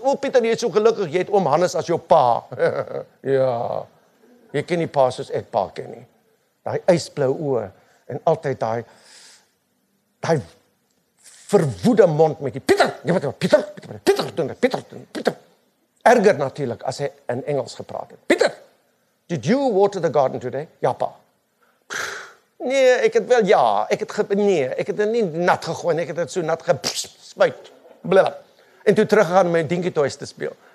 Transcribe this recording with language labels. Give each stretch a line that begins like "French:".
Afrikaans: O, Pieter, jy is so gelukkig, jy het oom Hannes as jou pa. Ja, jy ken nie pa soos ek pa ken nie. Daai ijsblou oë en altyd daai verwoede mond met die Pieter, jy weet wat, Pieter. Erger natuurlik as hy in Engels gepraat het.
English: Pieter, did you water the garden today?
Afrikaans: Ja, pa. Nee, ek het wel, ja, ek het nie nat gegooi, ek het dit so nat gespuit, blip, en toe teruggegaan om my dinkietoys te speel.